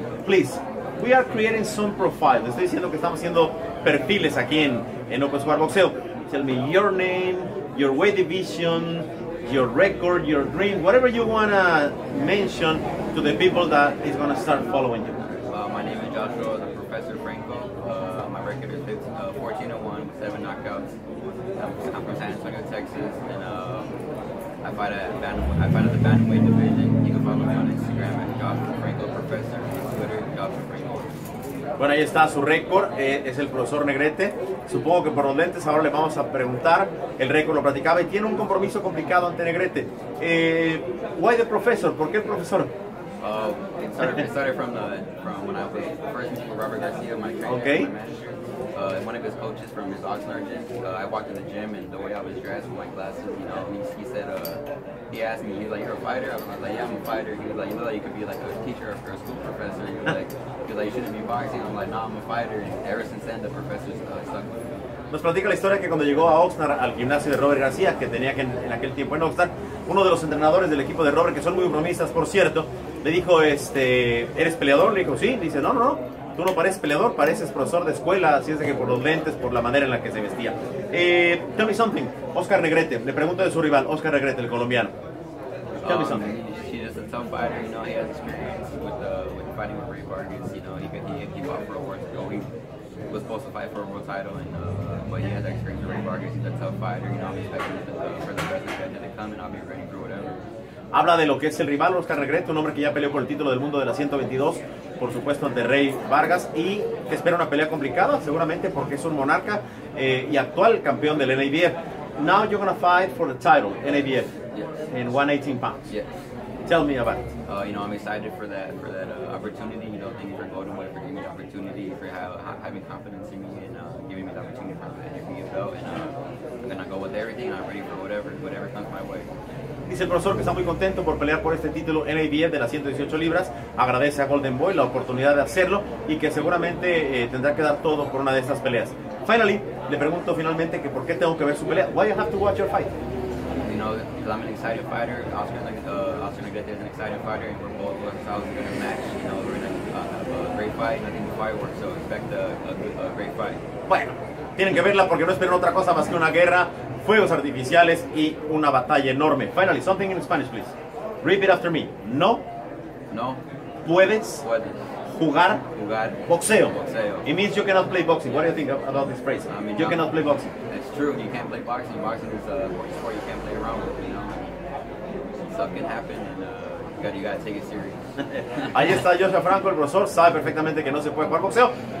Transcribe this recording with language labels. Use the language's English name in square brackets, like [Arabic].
[English] Please, we are creating some profiles. [Spanish] Estoy diciendo que estamos haciendo perfiles aquí en Open Square Boxeo. [English] Tell me your name, your weight division, your record, your dream, whatever you want to mention to the people that is going to start following you. My name is Joshua, the Professor Franco. My record is 14-1, 7 knockouts. I'm from San Antonio, Texas, and I fight at the bantamweight division. You can follow me on Instagram at Joshua Franco Professor, Twitter, Joshua Franco. [Spanish] Bueno, ahí está su récord, es el profesor Negrete. Supongo que por los lentes ahora le vamos a preguntar. El récord lo platicaba y tiene un compromiso complicado ante Negrete. [English] Why the professor? [Spanish] ¿Por qué el profesor? [English] It started from when I was first meeting with Robert Garcia, my trainer, okay. My manager. One of his coaches from his Oxnard gym. I walked in the gym and the way I was dressed with my glasses, you know, he asked me, he was like, you're a fighter? I was like, yeah, I'm a fighter. He was like, you look like you could be like a teacher or a school professor. And he was like, you shouldn't be boxing. I'm like, nah, I'm a fighter. And ever since then, the professors stuck with me. [Spanish] Nos platica la historia que cuando llegó a Oxnard al gimnasio de Robert García, que tenía que en aquel tiempo en Oxnard, uno de los entrenadores del equipo de Robert, que son muy bromistas, por cierto, le dijo, ¿eres peleador? Le dijo, sí. Le dice, no, tú no pareces peleador, pareces profesor de escuela, así es de que por los lentes, por la manera en la que se vestía. [English] Tell me something, [Spanish] Oscar Negrete, le pregunto de su rival, Oscar Negrete, el colombiano. [English] Tell me something. He's just a tough fighter, you know, he has experience with fighting with Ray Vargas, you know, he fought for a world title, he was supposed to fight for a world title, but he has experience with Ray Vargas, he's a tough fighter, you know, I'm expecting for the best defender to come and I'll be ready for whatever. [Spanish] Habla de lo que es el rival, Oscar Negrete, un hombre que ya peleó por el título del mundo de la 122, por supuesto, ante Rey Vargas, y que espera una pelea complicada, seguramente, porque es un monarca y actual campeón del NABF. [English] Now you're going to fight for the title, NABF, yes. In 118 pounds. Yes. Tell me about it. You know, I'm excited for that opportunity. You know, thank you for Golden Boy for giving me the opportunity, for having confidence in me and giving me the opportunity for the NABF belt. And I'm going to go with everything. I'm ready for whatever comes my way. [Spanish] Dice el profesor que está muy contento por pelear por este título NABF de las 118 libras. Agradece a Golden Boy la oportunidad de hacerlo y que seguramente tendrá que dar todo por una de estas peleas. Finally, le pregunto finalmente que por qué tengo que ver su pelea. [English] Why I have to watch your fight? You know, because I'm an excited fighter. Oscar Negrete is an excited fighter, and we're going to match. You know, we're going to have a great fight. I think the fight works, so expect a great fight. [Spanish] Bueno, tienen que verla porque no esperan otra cosa más que una guerra, fuegos artificiales y una batalla enorme. [English] Finally, something in Spanish, please. Repeat after me. No. [Spanish] No. Puedes. Puedes. Jugar. Jugar. Boxeo. Boxeo. [English] It means you cannot play boxing. What do you think about this phrase? I mean, you cannot play boxing. It's true. You can't play boxing. Boxing is a sport you can't play around with. You know, stuff can happen. You gotta take it serious. [Spanish] Ahí está Joshua Franco, el profesor. Sabe perfectamente que no se puede jugar boxeo.